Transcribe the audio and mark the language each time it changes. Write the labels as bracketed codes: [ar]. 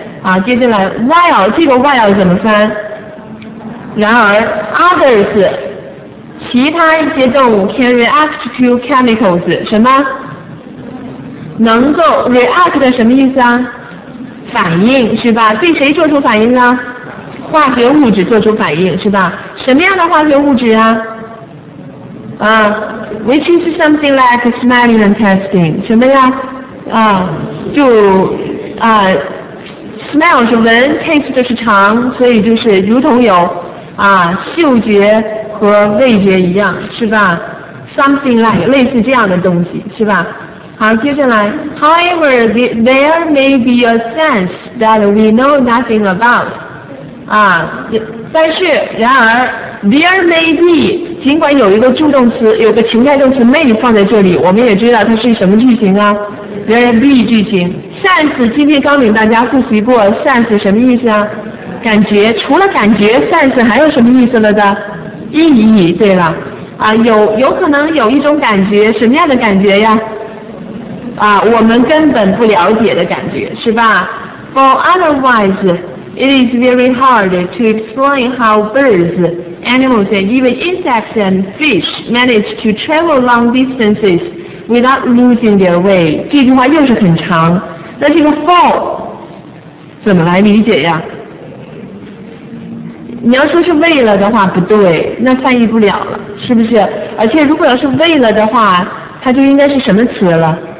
[zh] 啊，接下来 [en] while [zh] 这个 while 怎么翻？然而 [en] others [zh] 其他一些动物 [en] can react to chemicals [zh] 什么？能够 react 什么意思啊？反应是吧？对谁做出反应呢？化学物质做出反应是吧？什么样的化学物质啊？ [en] 啊 ，which is something like smelling and tasting [zh] 什么呀？啊，就啊 ，smell 是闻 ，taste 就是尝，所以就是如同有啊嗅觉和味觉一样是吧 ？ [en] Something like [zh] 类似这样的东西是吧？好，接下来 [en] ，However, there may be a sense that we know nothing about. [zh] 啊，但是，然而 ， [en] there may be， [zh] 尽管有一个助动词，有个情态动词 may 放在这里，我们也知道它是什么句型啊 ？There be 句型 ，sense 今天刚领大家复习过 ，sense 什么意思啊？感觉，除了感觉 ，sense 还有什么意思了的？意义，对了，啊，有可能有一种感觉，什么样的感觉呀？啊，我们根本不了解的感觉是吧 [en] ？For otherwise, it is very hard to explain how birds, animals, and even insects and fish manage to travel long distances without losing their way. [zh] 这句话又是很长，那这个 for 怎么来理解呀？你要说是为了的话不对，那翻译不了了，是不是？而且如果要是为了的话，它就应该是什么词了？